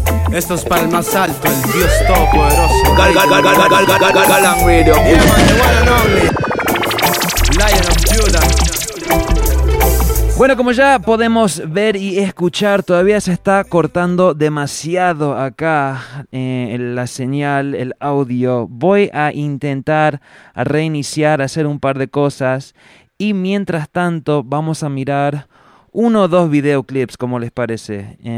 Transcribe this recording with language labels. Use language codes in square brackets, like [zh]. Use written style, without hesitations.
[es] Esto es para el más alto, el Dios todopoderoso. Galang Radio. [en] Yeah, man, the one and only Lion of Judah. [es] Bueno, como ya podemos ver y escuchar, todavía se está cortando demasiado acá la señal, el audio. Voy a intentar reiniciar, hacer un par de cosas. Y mientras tanto, vamos a mirar uno o dos videoclips, como les parece.